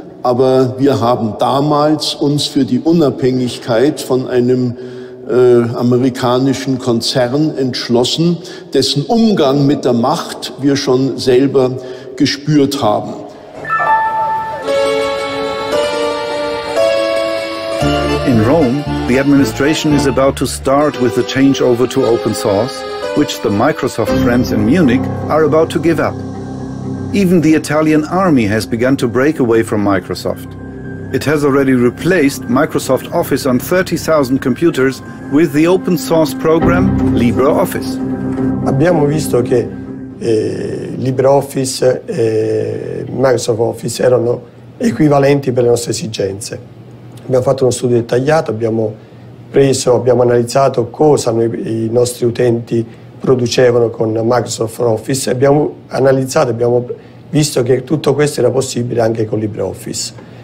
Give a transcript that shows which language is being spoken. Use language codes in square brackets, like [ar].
[de] Aber wir haben damals uns für die Unabhängigkeit von einem amerikanischen Konzern entschlossen, dessen Umgang mit der Macht wir schon selber gespürt haben. [en] In Rome, the administration is about to start with the changeover to open source, which the Microsoft friends in Munich are about to give up. Even the Italian army has begun to break away from Microsoft. It has already replaced Microsoft Office on 30,000 computers with the open source program LibreOffice. [it] Abbiamo visto che LibreOffice e Microsoft Office erano equivalenti per le nostre esigenze. Abbiamo fatto uno studio dettagliato, abbiamo analizzato cosa i nostri utenti producevano con Microsoft Office e abbiamo analizzato, abbiamo visto che tutto questo era possibile anche con LibreOffice.